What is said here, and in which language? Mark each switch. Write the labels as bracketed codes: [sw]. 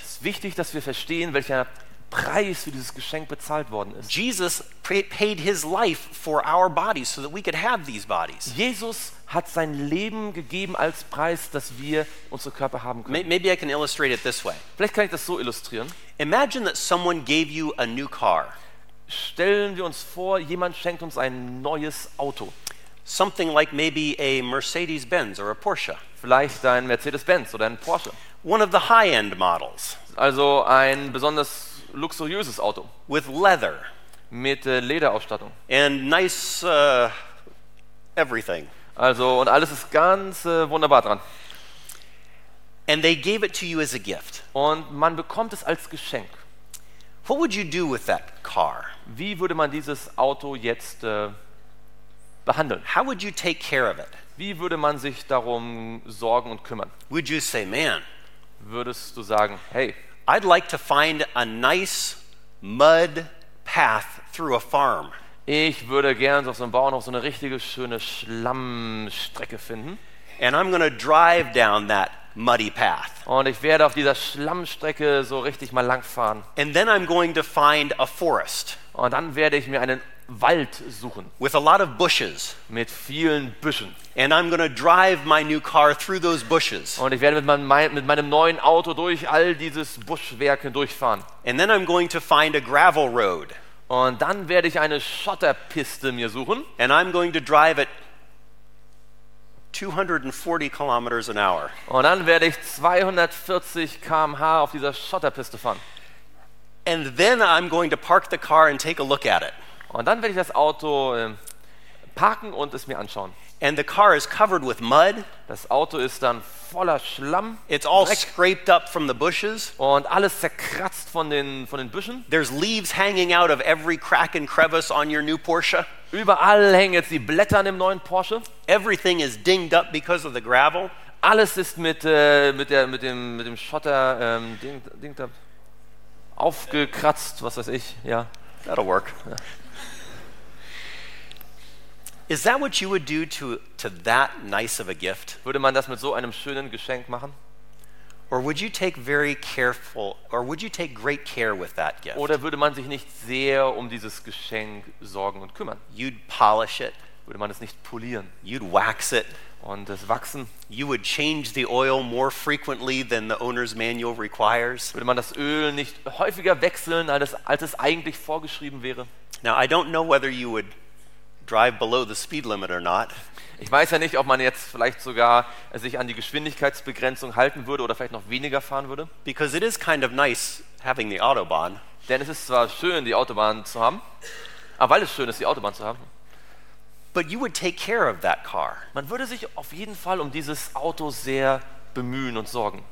[de] Es ist wichtig, dass wir verstehen, welcher Preis für dieses Geschenk bezahlt worden ist. [en] Jesus paid his life for our bodies so that we could have these bodies. [de] Jesus hat sein Leben gegeben als Preis, dass wir unsere Körper haben können. [en] Maybe I can illustrate it this way. [de] Vielleicht kann ich das so illustrieren. [en] Imagine that someone gave you a new car. [de] Stellen wir uns vor, jemand schenkt uns ein neues Auto. [en] Something like maybe a Mercedes-Benz or a Porsche. [de] Vielleicht ein Mercedes-Benz oder ein Porsche. [en] One of the high-end models. [de] Also ein besonders luxuriöses Auto. [en] With leather. [de] Mit Lederausstattung. [en] And nice everything. [de] Also und alles ist ganz wunderbar dran. [en] And they gave it to you as a gift. [de] Und man bekommt es als Geschenk. [en] What would you do with that car? [de] Wie würde man dieses Auto jetzt behandeln? [en] How would you take care of it? [de] Wie würde man sich darum sorgen und kümmern? [en] Would you say, man? [de] Würdest du sagen, hey? [en] I'd like to find a nice mud path through a farm. [de] Ich würde gerne auf so einem Bauernhof so eine richtige schöne Schlammstrecke finden. [en] And I'm gonna drive down that muddy path. [de] Und ich werde auf dieser Schlammstrecke so richtig mal langfahren. [en] And then I'm going to find a forest. [de] Und dann werde ich mir einen Wald suchen. [en] With a lot of bushes. [de] Mit vielen Büschen. [en] And I'm gonna drive my new car through those bushes. [de] Und ich werde mit meinem neuen Auto durch all dieses Buschwerk hindurchfahren. [en] And then I'm going to find a gravel road. [de] Und dann werde ich eine Schotterpiste mir suchen. [en] And I'm going to drive it 240 kilometers an hour. [de] Und dann werde ich 240 km/h auf dieser Schotterpiste fahren. [en] And then I'm going to park the car and take a look at it. [de] Und dann werde ich das Auto parken und es mir anschauen. [en] And the car is covered with mud. [de] Das Auto ist dann voller Schlamm. [en] It's all [de] Dreck. [en] Scraped up from the bushes. [de] Und alles zerkratzt von den Büschen. [en] There's leaves hanging out of every crack and crevice on your new Porsche. [de] Überall hängen jetzt die Blätter an dem neuen Porsche. [en] Everything is dinged up because of the gravel. [de] Alles ist mit dem Schotter [en] dinged up. [de] Aufgekratzt, was weiß ich, ja. [en] That'll work. Is that what you would do to that nice of a gift? [de] Würde man das mit so einem schönen Geschenk machen? [en] Or would you take very careful, or would you take great care with that gift? [de] Oder würde man sich nicht sehr um dieses Geschenk sorgen und kümmern? [en] You'd polish it. [de] Würde man es nicht polieren? [en] You'd wax it. [de] Und es wachsen. [en] You would change the oil more frequently than the owner's manual requires. [de] Würde man das Öl nicht häufiger wechseln, als es eigentlich vorgeschrieben wäre? [en] Now I don't know whether you would drive below the speed limit or not. [de] Ich weiß ja nicht, ob man jetzt vielleicht sogar sich an die Geschwindigkeitsbegrenzung halten würde oder vielleicht noch weniger fahren würde. [en] Because it is kind of nice having the autobahn. [de] Denn es ist zwar schön, die Autobahn zu haben. Aber weil es schön ist, die Autobahn zu haben. [en] But you would take care of that car. [de] Man würde sich auf jeden Fall um dieses Auto sehr bemühen und sorgen.